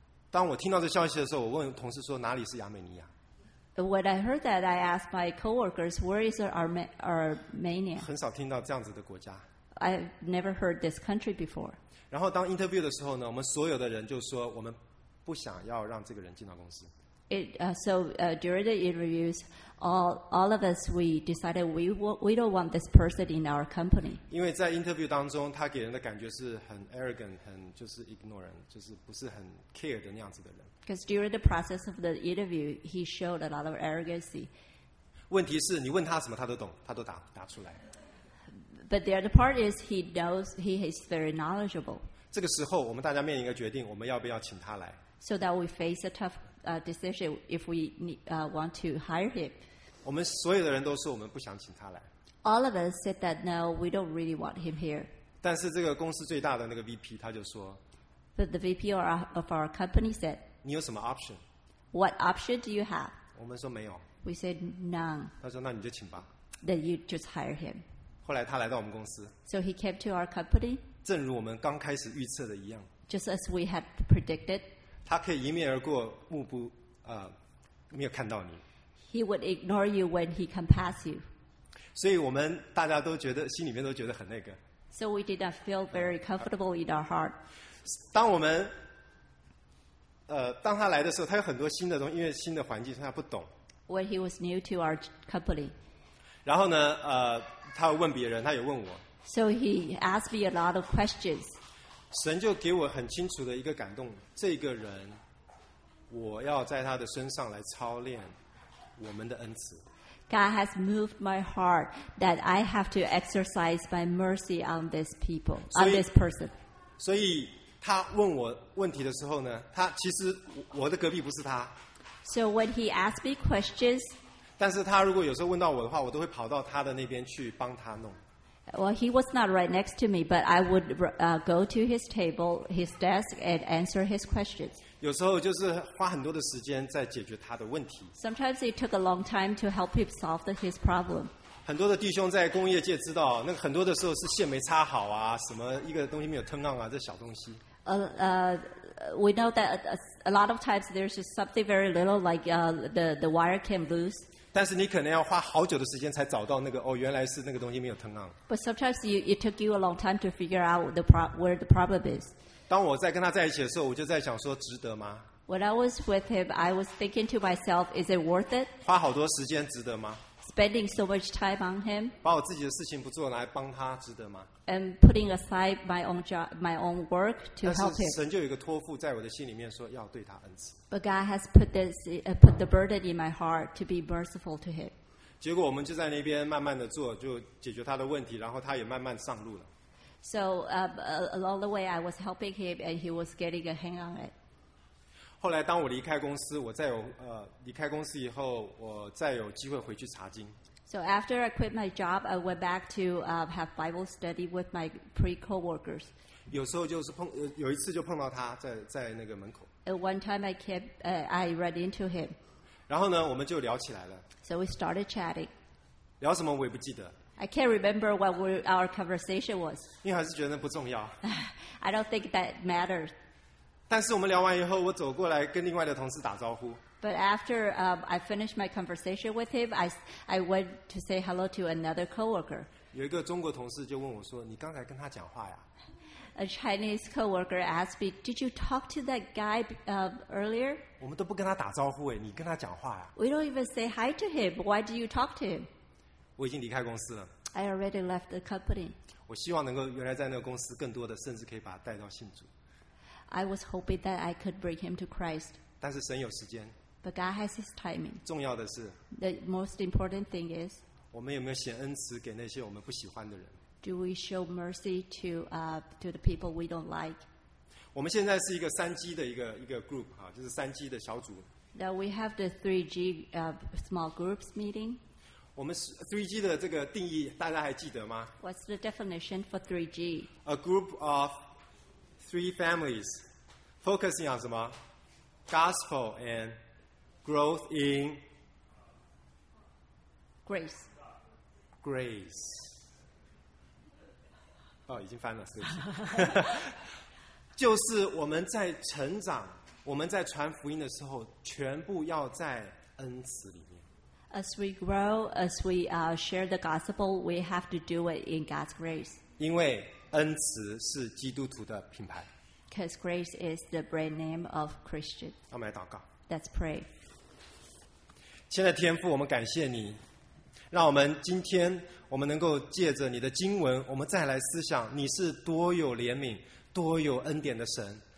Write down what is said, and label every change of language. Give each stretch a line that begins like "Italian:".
Chinese: 当我听到这消息的时候，我问同事说哪里是亚美尼亚。
English: When I heard that, I asked my coworkers, "Where is Armenia?"
Chinese: 很少听到这样子的国家。
English: I've never heard this country before.
Chinese: 然后当 interview 的时候呢，我们所有的人就说我们不想要让这个人进到公司。
English: During the interviews, all of us we decided we don't want this person in our company.
Chinese: 因为在 interview 当中，他给人的感觉是很 arrogant， 很就是 ignorant， 就是不是很 care 的那样子的人。
English: Because during the process of the interview, he showed a lot of arrogancy.
Chinese: 问题是你问他什么，他都懂，他都答出来。
English: But the other part is he knows he is very knowledgeable.
Chinese: 这个时候，我们大家面临一个决定，我们要不要请他来
English: ？So that we face a toughdecision if we want to hire him.
Chinese: 我们所有的人都说我们不想请他来。
English: All of us said that no, we don't really want him here.
Chinese: 但是这个公司最大的那个 VP 他就说。
English: But the VP of our company said.
Chinese: 你有什么 option?
English: What option do you have?
Chinese: 我们说没有。
English: We said none.
Chinese: 他说那你就请吧。
English: Then you just hire him.
Chinese: 后来他来到我们公司。
English: So he came to our company.
Chinese: 正如我们刚开始预测的一样。
English: Just as we had predicted.
Chinese: 他可以迎面而过，目不没有看到你。
English: He would ignore you when he can pass you.
Chinese: 所以我们大家都觉得心里面都觉得很那个。
English: So we did not feel very comfortable in our heart.
Chinese: 当我们当他来的时候，他有很多新的东西，因为新的环境，他不懂。
English: When he was new to our company.
Chinese: 然后呢，他会问别人，他也问我。
English: So he asked me a lot of questions.
Chinese: 神就给我很清楚的一个感动，这个人，我要在他的身上来操练我们的恩慈。
English: God has moved my heart that I have to exercise my mercy on this people, on this person.
Chinese: 所以他问我问题的时候呢，他其实我的隔壁不是他。
English: So when he asked me questions,
Chinese: 但是他如果有时候问到我的话，我都会跑到他的那边去帮他弄。
English: Well, he was not right next to me, but I would go to his table, his desk, and answer his questions.
Chinese: 有时候就是花很多的时间在解决他的问题。
English: Sometimes it took a long time to help him solve his problem.
Chinese: 很多的弟兄在工业界知道，那很多的时候是线没插好啊，什么一个东西没有 turn on 啊，这小东西。
English: We know that a lot of times there's just something very little, like the wire came loose.
Chinese: 但是你可能要花好久的时间才找到那个哦，原来是那个东西没有 turn on。
English: But sometimes it took you a long time to figure out where the problem is.
Chinese: 当我在跟他在一起的时候，我就在想说，值得吗
English: ？When I was with him, I was thinking to myself, is it worth it?
Chinese: 花好多时间值得吗
English: ？Spending so much time on him.
Chinese: 把我自己的事情不做来帮他，值得吗
English: ？And putting aside my own job, my own work to help him.
Chinese: 但是神就有一个托付在我的心里面，说要对他恩慈。
English: But God has put the burden in my heart to be merciful to him.
Chinese: 结果我们就在那边慢慢的做，就解决他的问题，然后他也慢慢上路了。
English: So along the way, I was helping him, and he was getting a hang on it.
Chinese: 后来当我离开公司，我再有离开公司以后，我再有机会回去查经。
English: So after I quit my job, I went back to have Bible study with my pre-coworkers.
Chinese: 有时候就是碰有一次就碰到他在那个门口。
English: One time I ran into him.
Chinese: 然后呢，我们就聊起来了。
English: So we started chatting.
Chinese: 聊什么我也不记得。
English: I can't remember what our conversation was.
Chinese: 因为还是觉得不重要。
English: I don't think that matters.
Chinese: 但是我们聊完以后，我走过来跟另外的同事打招呼。
English: But after I finished my conversation with him, I went to say hello to another coworker.
Chinese: 有一个中国同事就问我说：“你刚才跟他讲话呀？”
English: A Chinese coworker asked me, "Did you talk to that guy earlier?"
Chinese: 我们都不跟他打招呼哎，你跟他讲话呀、
English: 啊、？We don't even say hi to him. Why do you talk to him?
Chinese: 我已经离开公司了。
English: I already left the company.
Chinese: 我希望能够原来在那个公司更多的，甚至可以把他带到信主。
English: I was hoping that I could bring him to Christ.
Chinese: 但是神有时间。
English: But God has His timing.
Chinese: 重要的是。
English: The most important thing is.
Chinese: 我们有没有显恩慈给那些我们不喜欢的人？
English: Do we show mercy to the people we don't like?
Chinese: 我们现在是一个三基的一个group 就是三基的小组。
English: Now we have the 3G small groups meeting.
Chinese: 我们 3G 的这个定义大家还记得吗?
English: What's the definition for 3G? A group of three families focusing on
Chinese: 什么?
English: Gospel and growth in grace. Grace.
Chinese: 哦，已经翻了，是不是？就是我们在成长，我们在传福音的时候，全部要在恩慈里面。
English: As we grow, as we share the gospel, we have to do it in God's grace.
Chinese: 因为恩慈是基督徒的品牌。
English: Because grace is the brand name of Christian.
Chinese: 我们来祷告。
English: Let's pray.
Chinese: 亲爱的天父，我们感谢你，让我们今天我们能够借着你的经文，我们再来思想，你是多有怜悯、多有恩典的神。